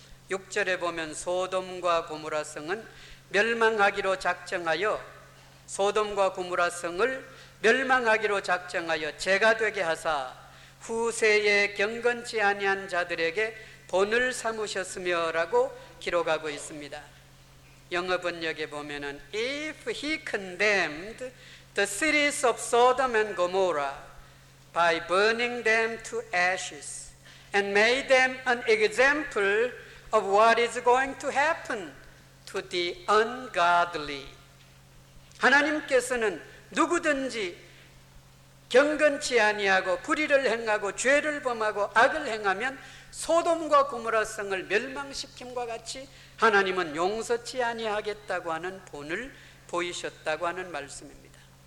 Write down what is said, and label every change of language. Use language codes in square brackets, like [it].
[ko] 6절에 보면 소돔과 고모라성은 멸망하기로 작정하여 소돔과 고모라성을 멸망하기로 작정하여 재가 되게 하사 후세에 경건치 아니한 자들에게 본을 삼으셨으며라고 기록하고 있습니다. 영어 번역에 보면은 [en] If he condemned the cities of Sodom and Gomorrah by burning them to ashes and made them an example of what is going to happen to the ungodly. [ko] 하나님께서는 누구든지 경건치 아니하고 불의를 행하고 죄를 범하고 악을 행하면 소돔과 고모라성을 멸망시킴과 같이 하나님은 용서치 아니하겠다고 하는 본을 보이셨다고 하는 말씀입니다.